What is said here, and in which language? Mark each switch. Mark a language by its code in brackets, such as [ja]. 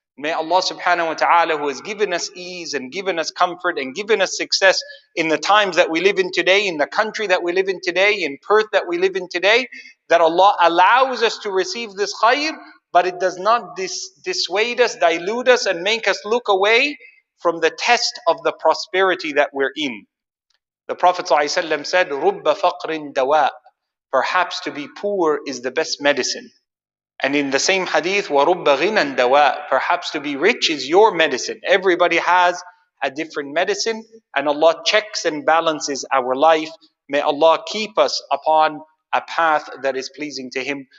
[en] May Allah subhanahu wa ta'ala, who has given us ease and given us comfort and given us success in the times that we live in today, in the country that we live in today, in Perth that we live in today, that Allah allows us to receive this khayr, but it does not dissuade us, dilute us, and make us look away from the test of the prosperity that we're in. The Prophet ﷺ said, [ar] رُبَّ فَقْرٍ دَوَاءٍ. [en] Perhaps to be poor is the best medicine. And in the same hadith, [ar] وَرُبَّ غِنًا دَوَاءٍ. [en] Perhaps to be rich is your medicine. Everybody has a different medicine, and Allah checks and balances our life. May Allah keep us upon a path that is pleasing to Him.